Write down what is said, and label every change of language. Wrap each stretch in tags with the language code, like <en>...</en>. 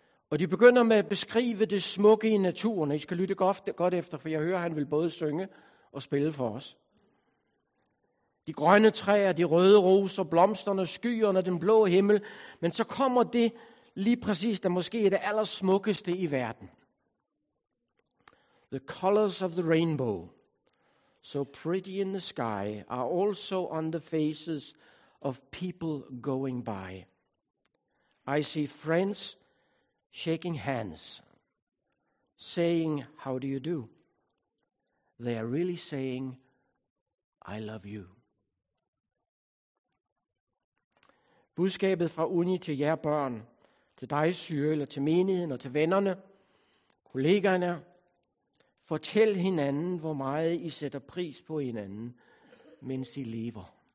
<da>Og de begynder med at beskrive det smukke i naturen. I skal lytte godt efter, for jeg hører, at han vil både synge og spille for os. De grønne træer, de røde roser, blomsterne, skyerne, den blå himmel. Men så kommer det lige præcis, der måske er det allersmukkeste i verden.</da> <en>The colors of the rainbow, so pretty in the sky, are also on the faces of people going by. I see friends shaking hands, saying, how do you do? They are really saying, I love you.</en> <da>Budskabet fra Uni til jer børn, til dig, Syre, eller til menigheden og til vennerne, kollegaerne. Fortæl hinanden, hvor meget I sætter pris på hinanden, mens I lever.</da>